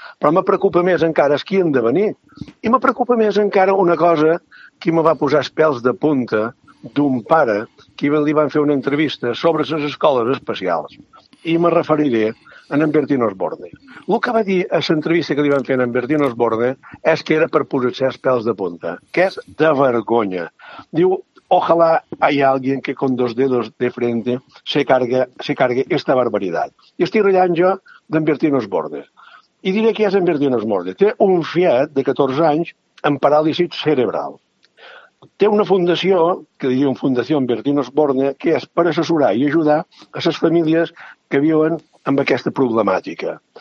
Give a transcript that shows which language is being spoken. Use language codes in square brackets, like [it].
[ca] Però me preocupa més encara els qui han de venir. I me preocupa més encara una cosa que me va posar els pèls de punta d'un pare que li van fer una entrevista sobre les escoles especials. I me referiré en Bertín Osborne. El que va dir a l'entrevista que li van fer en Bertín Osborne és que era per posar-se els pèls de punta, que és de vergonya. [es] Diu, ojalá hay alguien que con dos dedos de frente se cargue esta barbaridad. [ca] I estic rellant jo d'en Bertín Osborne. I diré que és en Bertín Osborne. Té un fiat de 14 anys amb paràlisi cerebral. Té una fundació, que diria una fundació en Bertín Osborne, que és per assessorar i ajudar a les famílies que viuen amb aquesta problemàtica.